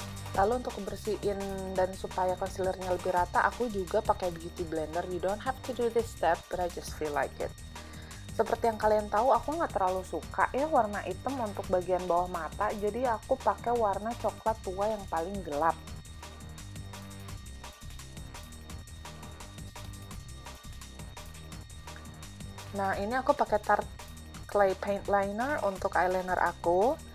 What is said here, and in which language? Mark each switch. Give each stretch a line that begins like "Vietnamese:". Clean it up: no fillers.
Indonesian: Lalu untuk bersihin dan supaya concealernya lebih rata, aku juga pakai beauty blender.
English: You don't have to do this step, but I just feel like it.
Indonesian: Seperti yang kalian tahu, aku nggak terlalu suka ya warna hitam untuk bagian bawah mata, jadi aku pakai warna coklat tua yang paling gelap. Nah, ini aku pakai Tarte Clay Paint Liner untuk eyeliner aku.